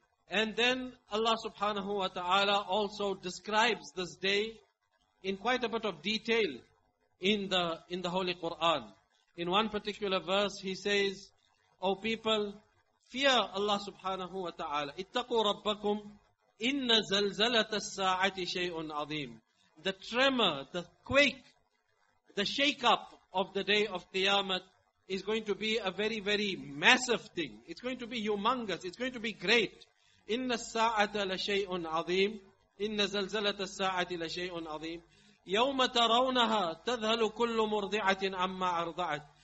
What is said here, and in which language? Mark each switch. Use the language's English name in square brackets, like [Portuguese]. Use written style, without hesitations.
[English] And then Allah subhanahu wa ta'ala also describes this day in quite a bit of detail in the Holy Quran. In one particular verse he says, O people, fear Allah subhanahu wa ta'ala. [Arabic] اتقوا ربكم إن زلزلة الساعة شيء عظيم. [English] The tremor, the quake, the shake up of the day of Qiyamah is going to be a very, very massive thing. It's going to be humongous. [Arabic] It's going to be great. إِنَّ السَّاعَةَ لَشَيْءٌ عَظِيمٌ إِنَّ زَلْزَلَةَ السَّاعَةِ لَشَيْءٌ عَظِيمٌ يَوْمَ تَرَوْنَهَا تَذْهَلُ كُلُّ مُرْضِعَةٍ عَمَّا أَرْضَعَتْ.